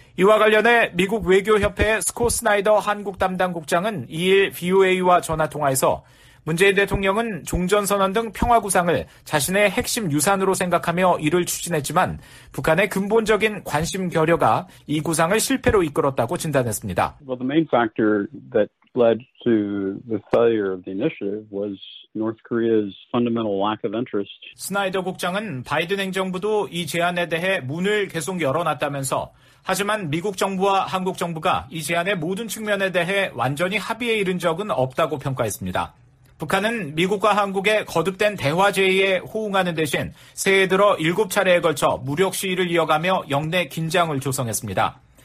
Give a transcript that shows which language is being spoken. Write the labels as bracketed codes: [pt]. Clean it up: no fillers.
[ko] 이와 관련해 미국 외교협회의 스콧 스나이더 한국 담당 국장은 2일 VOA와 전화통화에서 문재인 대통령은 종전선언 등 평화구상을 자신의 핵심 유산으로 생각하며 이를 추진했지만 북한의 근본적인 관심 결여가 이 구상을 실패로 이끌었다고 진단했습니다. [en] Well, the main factor that led to the failure of the initiative was North Korea's fundamental lack of interest. [ko] 스나이더 국장은 바이든 행정부도 이 제안에 대해 문을 계속 열어놨다면서 하지만 미국 정부와 한국 정부가 이 제안의 모든 측면에 대해 완전히 합의에 이른 적은 없다고 평가했습니다. 북한은 미국과 한국의 거듭된 대화 제의에 호응하는 대신 새해 들어 7차례에 걸쳐 무력 시위를 이어가며 영내 긴장을 조성했습니다.